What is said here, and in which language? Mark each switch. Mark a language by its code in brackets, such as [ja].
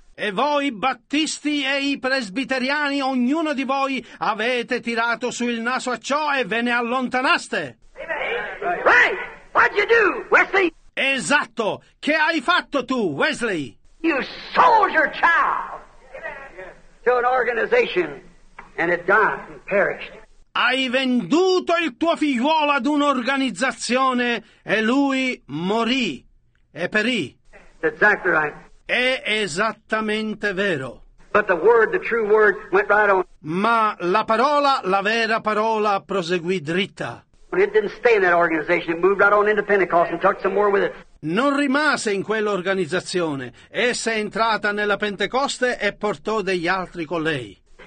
[it] E voi battisti e i presbiteriani, ognuno di voi avete tirato su il naso a ciò e ve ne allontanaste. [en] Right. What'd you do, Wesley? [it] Esatto. Che hai fatto tu, Wesley? [en] You sold your child to an organization and it died and perished. [it] Hai venduto il tuo figliuolo ad un'organizzazione e lui morì e perì. [en] Exactly right. [it] È esattamente vero. [en] But the word, the true word, went right on. [it] Ma la parola, la vera parola, proseguì dritta. [en] It didn't stay in that organization. It moved right on into Pentecost and took some more with it. [it] non rimase in quell'organizzazione. Essa è entrata nella Pentecoste e portò degli altri con lei.